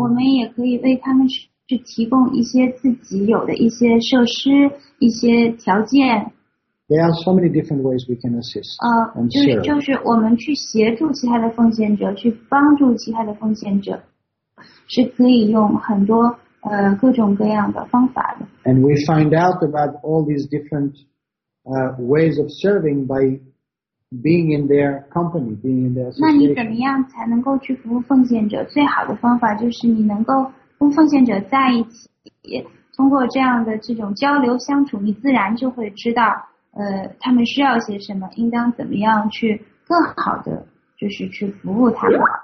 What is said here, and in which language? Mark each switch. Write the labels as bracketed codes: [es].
[zh] 我们也可以为他们去提供一些自己有的一些设施、一些条件。 [en] There are so many different ways we can assist. [zh] 就是我们去协助其他的奉献者，去帮助其他的奉献者，是可以用很多各种各样的方法的。 [en] And we find out about all these different ways of serving by being in their company, being in their association. [zh] 那你怎么样才能够去服务奉献者？最好的方法就是你能够跟奉献者在一起，通过这样的这种交流相处，你自然就会知道他们需要些什么，应当怎么样去更好的就是去服务他们。